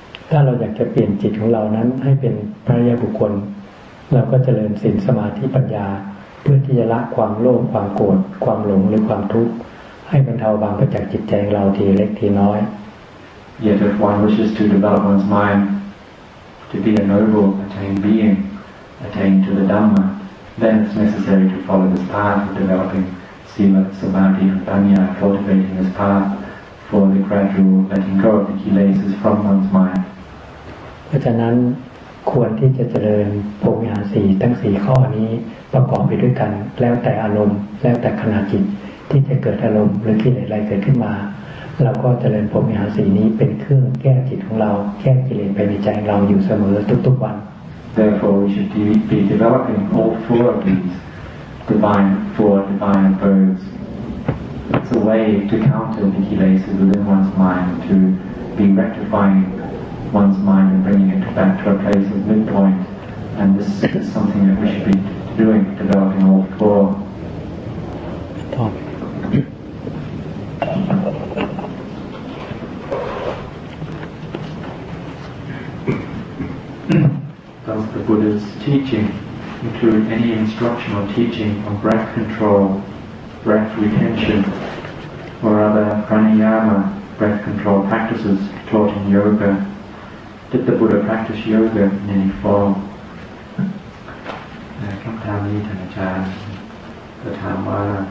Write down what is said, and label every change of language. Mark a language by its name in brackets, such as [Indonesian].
[Thai] ถ้าเราอยากจะเปลี่ยนจิตของเรานั้นให้เป็นพระญาบุคคลเราก็เจริญศีลสมาธิปัญญาเพื่อที่จะละความโลภความโกรธความหลงหรือความทุกข์ให้บรรเทาบางประจักษ์จิตใจของเราทีเล็กทีน้อย [English] Yet if one wishes to develop one's mind to be a noble attained being attained to the Dhamma then it's necessary to follow this path of developing sila samadhi and panya cultivating this pathfor the gradual letting go of the kilesas from one's mind. [Thai] เพราะฉะนั้นควรที่จะเจริญโพธิญาณ4ทั้ง4ข้อนี้ประกอบไปด้วยกันแล้วแต่อารมณ์แล้วแต่ขณะจิตที่จะเกิดอารมณ์หรือกิเลสอะไรเกิดขึ้นมาเราก็เจริญโพธิญาณ4นี้เป็นเครื่องแก้จิตของเราแก้กิเลสไปในใจเราอยู่เสมอทุกๆวัน [English] Therefore we should be developing all four of these four divine abodesIt's a way to counter the kilesas within one's mind, to be rectifying one's mind and bringing it back to a place of midpoint. And this is something that we should be doing, developing all four. Tom. Does the Buddha's teaching include any instruction or teaching on breath control, breath retention? Or other pranayama, breath control practices taught in yoga. Did the Buddha practice yoga in any form? [Thai] คำถามนี้ท่านอาจารย์ก็ถามว่า